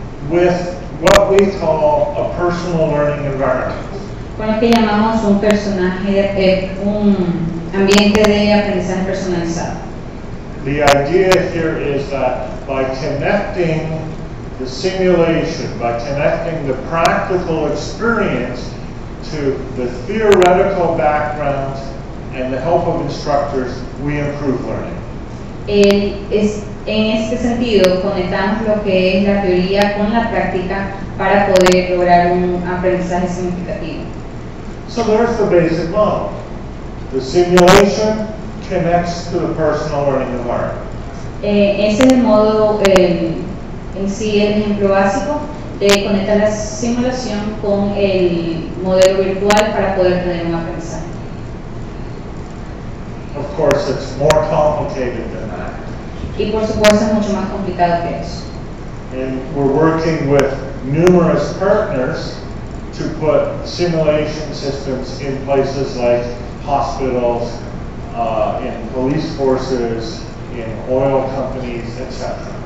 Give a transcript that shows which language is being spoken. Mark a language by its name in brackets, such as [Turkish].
[English] With what we call a personal learning environment. [Spanish] Con lo que llamamos un personaje, un ambiente de aprendizaje personalizado. [English] The idea here is that by connecting the simulation, by connecting the practical experience to the theoretical background and the help of instructors, we improve learning. [Spanish] En este sentido, conectamos lo que es la teoría con la práctica para poder lograr un aprendizaje significativo. [English] So there's the basic model. The simulation connects to the personal learning environment. [Spanish] Ese es el modo en sí, el ejemplo básico de conectar la simulación con el modelo virtual para poder tener un aprendizaje. [English] Of course, it's more complicated than that. [Spanish] Y por supuesto es mucho más complicado que eso. [English] And we're working with numerous partners to put simulation systems in places like hospitals, in police forces, in oil companies, etc.